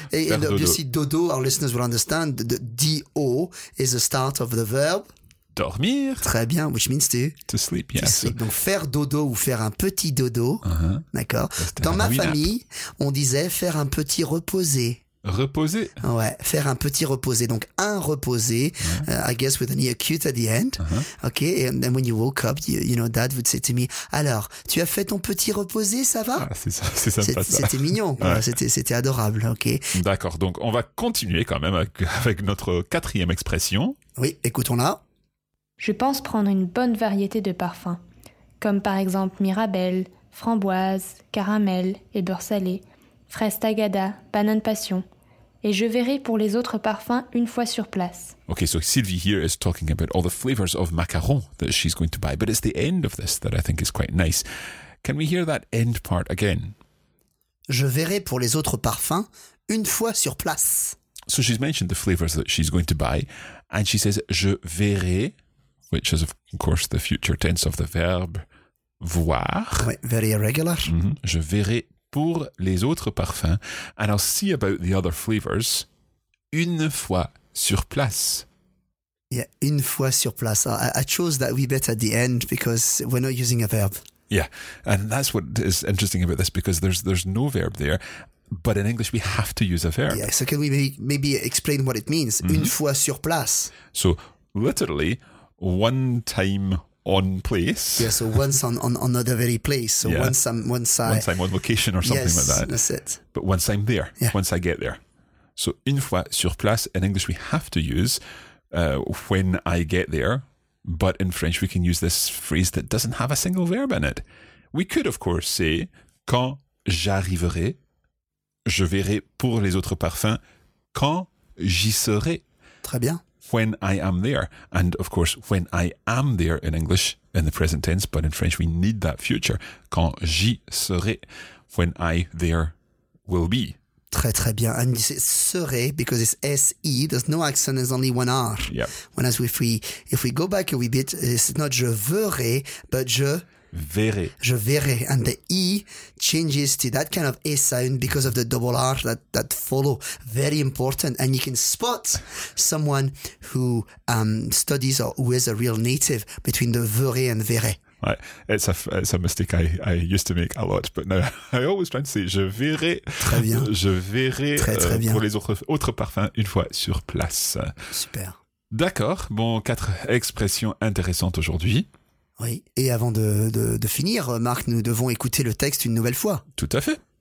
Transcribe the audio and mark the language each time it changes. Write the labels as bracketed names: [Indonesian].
[English] And obviously, dodo, our listeners will understand, the D-O is the start of the verb. [French] Dormir. Très bien, [English] which means to? To sleep, yes. To sleep. [French] Donc faire dodo ou faire un petit dodo, uh-huh. D'accord. [English] Just [French] dans ma famille, on disait faire un petit reposé. Reposé. Ouais, faire un petit reposé. Donc un reposé, uh-huh. [English] I guess with an E acute at the end. Uh-huh. Okay, and then when you woke up, you know, dad would say to me, [French] alors, tu as fait ton petit reposé, ça va? Ah, c'est ça, c'est sympa, c'était mignon, ouais. c'était adorable, ok. D'accord, donc on va continuer quand même avec notre quatrième expression. Oui, écoutons-la. Je pense prendre une bonne variété de parfums, comme par exemple mirabelle, framboise, caramel et beurre salé, fraise tagada, banane passion. Et je verrai pour les autres parfums une fois sur place. [English] Okay, so Sylvie here is talking about all the flavors of macaron that she's going to buy, but it's the end of this that I think is quite nice. Can we hear that end part again? [French] Je verrai pour les autres parfums une fois sur place. [English] So she's mentioned the flavors that she's going to buy, and she says, [French] je verrai... [English] Which is, of course, the future tense of the verb voir. Oui, very irregular. Mm-hmm. [French] Je verrai pour les autres parfums. [English] And I'll see about the other flavors [French] une fois sur place. Yeah, une fois sur place. [English] I chose that wee bit at the end because we're not using a verb. Yeah, and that's what is interesting about this because there's no verb there. But in English, we have to use a verb. Yeah, so can we maybe explain what it means, mm-hmm. [French] une fois sur place? [English] So literally... One time on place. Yeah, so once on the very place. So yeah. Once I'm on location or something yes, like that. That's it. But once I'm there, yeah. Once I get there. So [French] une fois sur place, [English] in English we have to use when I get there. But in French we can use this phrase that doesn't have a single verb in it. [French] We could, of course, say quand j'arriverai, je verrai pour les autres parfums, quand j'y serai. Très bien. [English] When I am there. And of course, when I am there in English, in the present tense, but in French, we need that future. [French] Quand j'y serai, [English] when I there will be. [French] Très, très bien. [English] And you say serai, because it's S-E, there's no accent, there's only one R. Yeah. Whereas if we go back a wee bit, it's not [French] je verrai, [English] but je... [French] Verrai. Je verrai. [English] And the E changes to that kind of A sound because of the double R that follow. Very important. And you can spot someone who studies or who is a real native between the verrai and verrai. Right. It's a mistake I used to make a lot. But now I always try to say [French] je verrai. Très bien. Je verrai très bien. Pour les autres parfums une fois sur place. Super. D'accord. Bon, quatre expressions intéressantes aujourd'hui. Oui, et avant de finir, Marc, nous devons écouter le texte une nouvelle fois. Tout à fait.